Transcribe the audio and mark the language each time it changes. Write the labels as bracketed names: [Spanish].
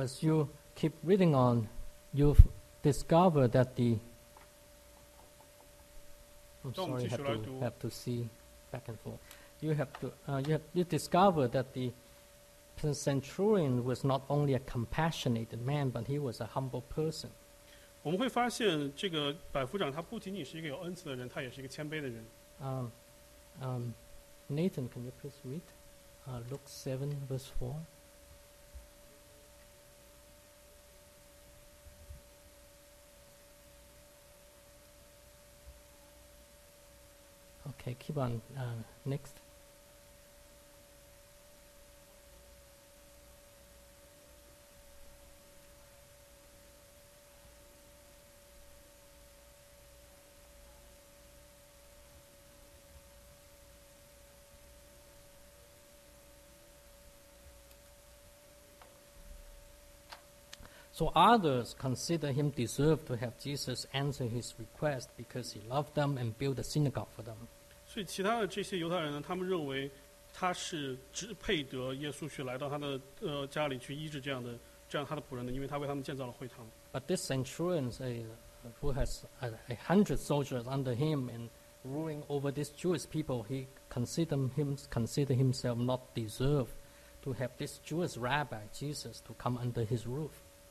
[English] as you keep reading on, you discover that the You discover that the centurion was not only a compassionate man, but he was a humble person. [Chinese] 我们会发现这个百夫长他不仅仅是一个有恩赐的人，他也是一个谦卑的人。 [English] Nathan, can you please read Luke 7, verse 4? Okay, keep on. Next. So others consider him deserved to have Jesus answer his request because he loved them and built a synagogue for them. [Chinese] 所以其他的这些犹太人呢，他们认为他是配得耶稣去来到他的家里去医治这样的他的仆人的，因为他为他们建造了会堂。But [English] this centurion who has a hundred soldiers under him and ruling over these Jewish people, he consider himself not deserved to have this Jewish rabbi Jesus to come under his roof.